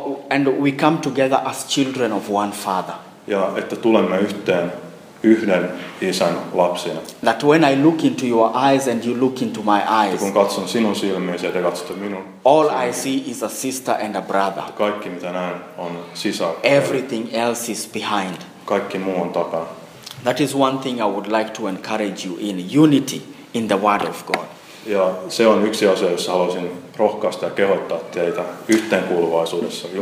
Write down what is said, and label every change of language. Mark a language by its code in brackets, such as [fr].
[en] And we come together as children of one father. [fi] Ja että tulemme yhteen yhden isän lapsina. [en] That when I look into your eyes and you look into my eyes. [fi] Kun katson sinun silmiäsi ja te katsotte minun. [en] All I see is a sister and a brother. [fi] Kaikki mitä näen on sisar. [en] Everything else is behind. [fi] Kaikki muu on takaa. [en] That is one thing I would like to encourage you in unity in the word of God. [fi] Ja se on yksi asia, jossa haluaisin rohkaista ja kehottaa teitä yhteenkuuluvaisuudessa Jumalan